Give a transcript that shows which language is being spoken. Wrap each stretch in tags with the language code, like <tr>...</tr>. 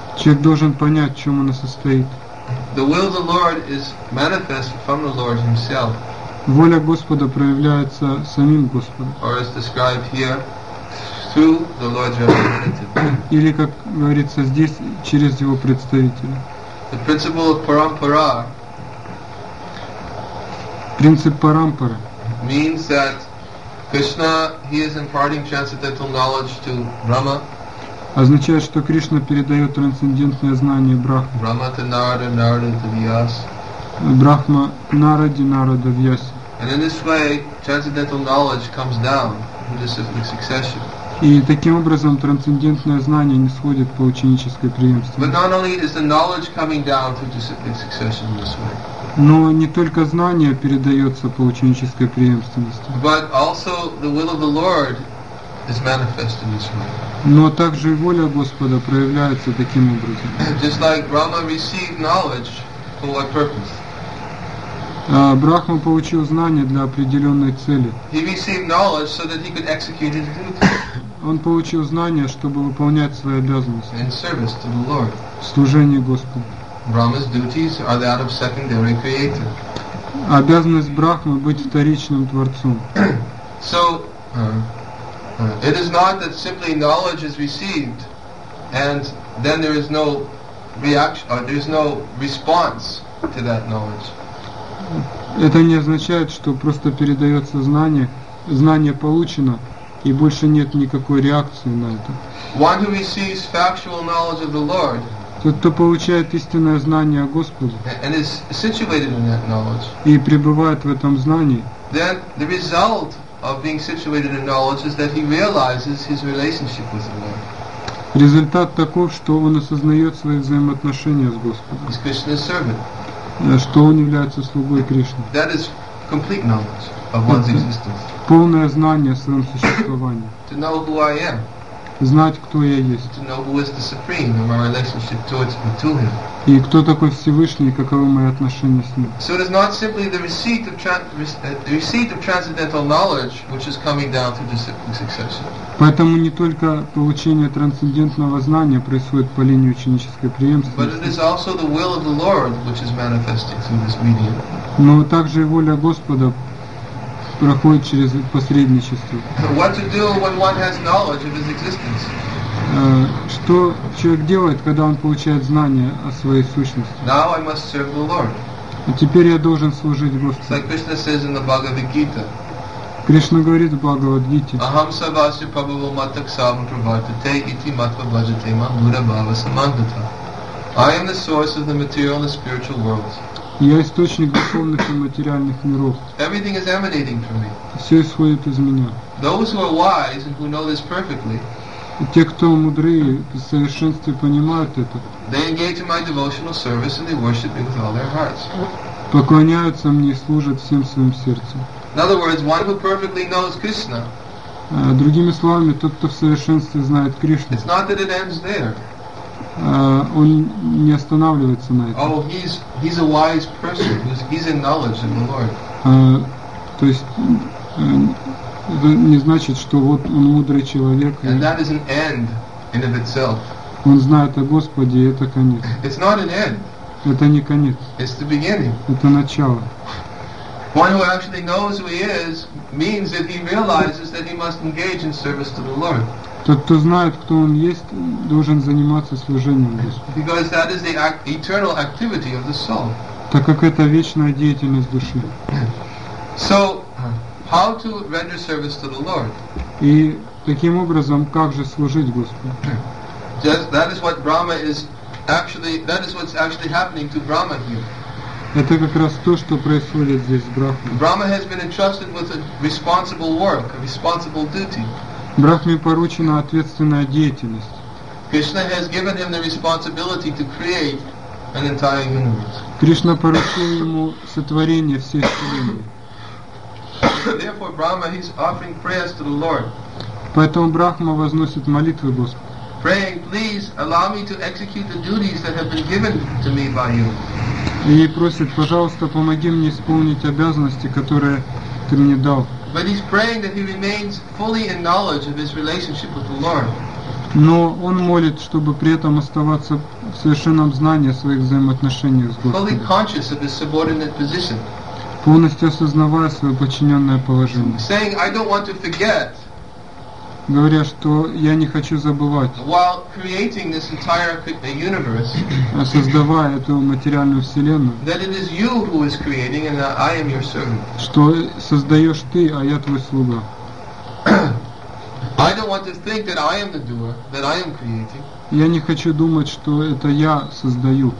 <ru>Человек должен понять, в чем она состоит.</ru> <en>The will of the Lord is manifest from the Lord himself.</en> <ru>Воля Господа проявляется самим Господом.</ru> <en>Or as described here, through the Lord's representative.</en> <ru>Или, как говорится здесь, через его представителя.</ru> <en>The principle of parampara.</en> <ru>Принцип парампара.</ru> <en>Means that Krishna, he is imparting transcendental knowledge to Brahma.</en> <ru>Означает, что Кришна передает трансцендентное знание Брахме.</ru> <en>Brahma to Narada, Narada to Vyas.</en> <ru>Брахма Нараде, Нарада Вьясе.</ru> <en>And in this way, transcendental knowledge comes down in this succession.</en> <ru>И таким образом трансцендентное знание нисходит по ученической преемственности.</ru> <en>But not only is the knowledge coming down through disciplic succession in this way.</en> <ru>Но не только знание передается по ученической преемственности.</ru> <en>But also the will of the Lord is manifest in this way.</en> <ru>Но также и воля Господа проявляется таким образом.</ru> <en>Just like Brahma received knowledge, for what purpose?</en> <ru>Брахма получил знание для определенной цели.</ru> <en>He received knowledge so that he could execute his duty.</en> <ru>Он получил знание, чтобы выполнять свои обязанности.</ru> <en>In service to the Lord.</en> <ru>Служение Господу.</ru> <en>Brahma's duties are that of secondary creator.</en> <ru>Обязанность Брахмы быть вторичным творцом.</ru> <en>So, it is not that simply knowledge is received, and then there is no reaction, or there is no response to that knowledge.</en> <ru>Это не означает, что просто передается знание, знание получено, и больше нет никакой реакции на это.</ru> <en>One who receives factual knowledge of the Lord.</en> <ru>Тот, кто получает истинное знание о Господе</ru> <en>and is situated in that knowledge,</en> <ru>и пребывает в этом знании,</ru> <en>then the result of being situated in knowledge is that he realizes his relationship with the Lord.</en> <ru>Результат таков, что он осознает свои взаимоотношения с Господом.</ru> <en>He's Krishna's servant.</en> <ru>Что он является слугой Кришны.</ru> <en>That is complete knowledge of one's existence.</en> <ru>Полное знание о своем существовании.</ru> <en>To know who I am.</en> <ru>Знать, кто я есть.</ru> <en>To know who is the supreme and my relationship towards me, to him.</en> <ru>И кто такой Всевышний, и каковы мои отношения с ним.</ru> <en>So it is not simply the receipt of transcendental knowledge which is coming down through disciplic succession.</en> <ru>Поэтому не только получение трансцендентного знания происходит по линии ученической преемственности.</ru> <en>But it is also the will of the Lord which is manifesting through this medium.</en> <ru>Но также и воля Господа проходит через посредничество.</ru> <en>What to do when one has knowledge of his existence?</en> <ru>Что человек делает, когда он получает знание о своей сущности?</ru> <en>Now I must serve the Lord.</en> <ru>И теперь я должен служить Господу.</ru> <en>Like Krishna says in the Bhagavad Gita.</en> <ru>Кришна говорит в Бхагавад Гите.</ru> <sa>Aham sabasya pabhavo mataksavam pravartate iti matva bhajate ma mura bhava samandata.</sa> <en>I am the source of the material and the spiritual worlds.</en> <ru>Я источник духовных и материальных миров.</ru> <en>Everything is emanating from me.</en> <ru>Все исходит из меня.</ru> <en>Those who are wise and who know this perfectly,</en> <ru>те, кто мудрые, в совершенстве понимают это,</ru> <en>they engage in my devotional service and they worship me with all their hearts.</en> <ru>Поклоняются мне и служат всем своим сердцем.</ru> <en>In other words, one who perfectly knows Krishna,</en> <ru>другими словами, тот, кто в совершенстве знает Кришну,</ru> <en>it's not that it ends there.</en> <ru>Он не останавливается на этом.</ru> <en>Oh, he's a wise person. He's in knowledge in the Lord.</en> <ru>То есть это не значит, что вот он мудрый человек.</ru> <en>And that is an end in of itself.</en> <ru>Он знает о Господе, и это конец.</ru> <en>It's not an end.</en> <ru>Это не конец.</ru> <en>It's the beginning.</en> <ru>Это начало.</ru> <en>One who actually knows who he is means that he realizes that he must engage in service to the Lord.</en> <ru>Тот, кто знает, кто он есть, должен заниматься служением Господу.</ru> <en>Because that is the eternal activity of the soul.</en> <ru>Так как это вечная деятельность души.</ru> <en>So, how to render service to the Lord?</en> <ru>И таким образом, как же служить Господу?</ru> <en>Just, that is what Brahma is actually, that is what's actually happening to Brahma here.</en> <ru>Это как раз то, что происходит здесь с Брахмой.</ru> <en>Brahma has been entrusted with a responsible work, a responsible duty.</en> <ru>Брахме поручена ответственная деятельность.</ru> <en>Krishna has given him the responsibility to create an entire universe.</en> <ru>Кришна поручил ему сотворение всей вселенной.</ru> <en>Therefore, Brahma is offering prayers to the Lord.</en> <ru>Поэтому Брахма возносит молитвы Господу.</ru> <en>Praying, please allow me to execute the duties that have been given to me by you.</en> <ru>И просит, пожалуйста, помоги мне исполнить обязанности, которые ты мне дал.</ru> <en>But he's praying that he remains fully in knowledge of his relationship with the Lord.</en> <ru>Но он молит, чтобы при этом оставаться в совершенном знании о своих взаимоотношениях с Господом.</ru> <en>Fully conscious of his subordinate position.</en> <ru>Полностью осознавая свое подчиненное положение.</ru> <en>Saying, I don't want to forget.</en> <ru>Говоря, что я не хочу забывать.</ru> <en>While creating this entire universe,</en> <ru>создавая эту материальную вселенную.</ru> <en>That it is you who is creating, and I am your servant.</en> <ru>Что создаешь ты, а я твой слуга.</ru> <en>I don't want to think that I am the doer, that I am creating.</en> <ru>Я не хочу думать, что это я создаю.</ru>